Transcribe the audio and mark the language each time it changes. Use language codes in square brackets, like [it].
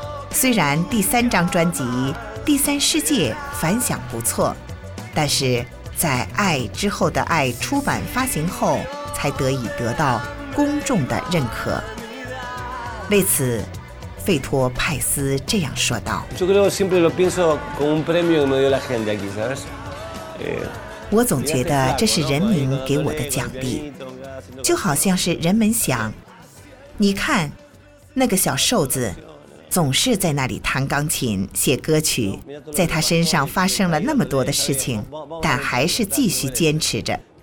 [zh] 虽然3张专辑《第三世界》反响不错，但是在《爱之后的爱》出版发行后才得以得到公众的认可。为此，费托派斯这样说道。 [es] Yo creo siempre lo pienso como un premio en medio de la gente aquí, ¿sabes? [zh] 我总觉得这是人民给我的奖励，就好像是人们想，你看，那个小瘦子总是在那里弹钢琴、写歌曲，在他身上发生了那么多的事情，但还是继续坚持着。